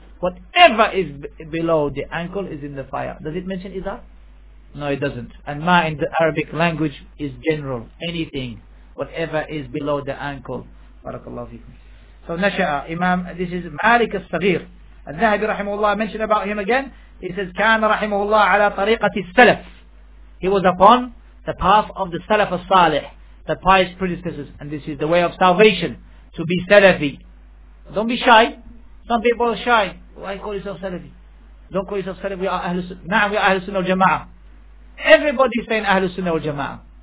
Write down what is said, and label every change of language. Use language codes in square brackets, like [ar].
[en] Whatever is below the ankle is in the fire. Does it mention izar? No, it doesn't. And ma in the Arabic language is general. Anything. whatever is below the ankle. Barakallahu feekum. So Nasha'a, Imam, this is Malik al-Saghir. Al-Zahabi rahimahullah, mentioned about him again. [ar] He says, كان رحمه الله على طريقة السلف. [en] He was upon the path of the Salaf al-Salih, the pious predecessors. And this is the way of salvation, to be Salafi. Don't be shy. Some people are shy. Why call yourself Salafi? Don't call yourself Salafi. We are Ahlul Sunnah al-Jama'ah. Everybody is saying Ahlul Sunnah al-Jama'ah.